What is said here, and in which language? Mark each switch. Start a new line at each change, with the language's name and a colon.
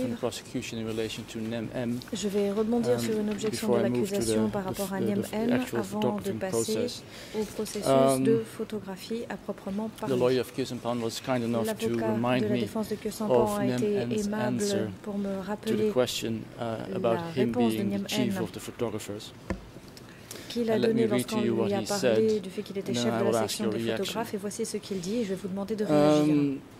English: From the prosecution in relation to NEM-M,
French: je vais rebondir sur une objection de l'accusation par rapport à NEM-M avant de passer
English: process.
French: Au processus de photographie à proprement parler.
English: The lawyer of Kusumpan was kind enough to remind me of NEM-M's answer
French: pour me rappeler
English: to the question about him being the chief of the photographers. And let me read to you what he said. Then I will ask your reaction.
French: Et voici ce qu'il dit. Je vais vous demander de réagir.